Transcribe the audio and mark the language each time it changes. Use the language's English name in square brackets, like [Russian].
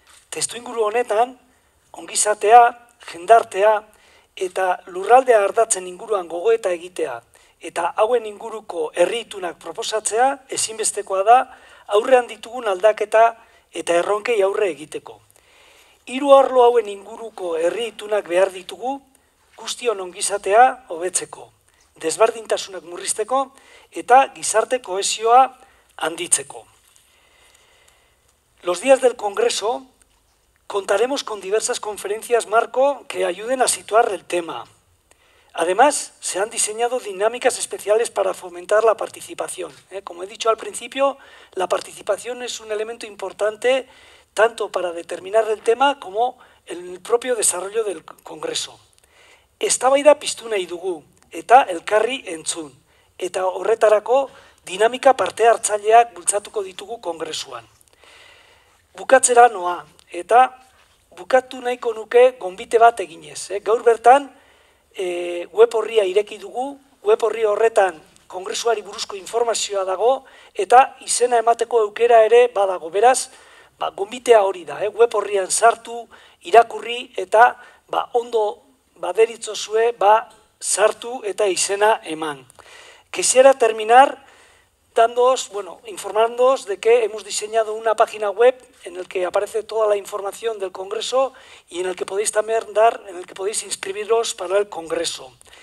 [Basque] Testuinguru honetan, ongizatea, jendartea eta lurraldea ardatzen inguruan gogoeta egitea eta hauen inguruko herriitunak proposatzea ezinbestekoa da aurrean ditugun aldaketa eta erronkei aurre egiteko. Hiru arlo hauen inguruko herriitunak behar ditugu guztion ongizatea hobetzeko, desberdintasunak murrizteko eta gizarte kohesioa handitzeko. [Spanish] Los días del Congreso contaremos con diversas conferencias marco que ayuden a situar el tema. Además, se han diseñado dinámicas especiales para fomentar la participación. Como he dicho al principio, la participación es un elemento importante tanto para determinar el tema como en el propio desarrollo del Congreso. [Basque] Eztabaida piztu nahi dugu, eta elkarri entzun, eta horretarako dinamika parte hartzaileak bultzatuko ditugu Kongresuan. Bukatzera noa, eta bukatu nahiko nuke gonbite bat eginez. Gaur bertan, web horria ireki dugu, web horri horretan Kongresuari buruzko informazioa dago, eta izena emateko aukera ere badago. Beraz, gonbitea hori da, web horrian sartu, irakurri, eta ondo baderitzozue, sartu eta izena eman. [Spanish] Quisiera terminar dándoos, informándoos de que hemos diseñado una página web en el que aparece toda la información del Congreso y en el que podéis también en el que podéis inscribiros para el Congreso.